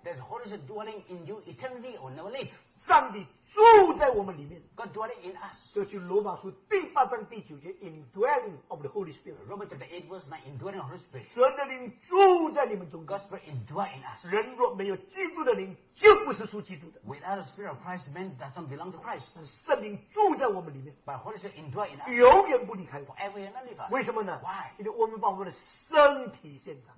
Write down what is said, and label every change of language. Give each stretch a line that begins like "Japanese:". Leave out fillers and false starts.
English: There's Holy Spirit dwelling in you eternally or never leave.
Chinese: 上帝住在我们里面，
English: God dwelling in us.
Chinese: 这就罗马书第8章第9节，
English: indwelling of the Holy Spirit. Romans chapter 8 verse 9, indwelling of the Holy Spirit.
Chinese: 神的灵住在你们中，
English: God's Spirit indwell in us.
Chinese: 人若没有基督的灵，就不是属基督的。
English: Without the Spirit of Christ, man does not belong to Christ.
Chinese: 圣灵住在我们里面，
English: but Holy Spirit indwell in us.
Chinese: 永远不离开，
English: forever and never.
Chinese: 为什么呢？
English: Why?
Chinese: 因为我们把我们的身体献上，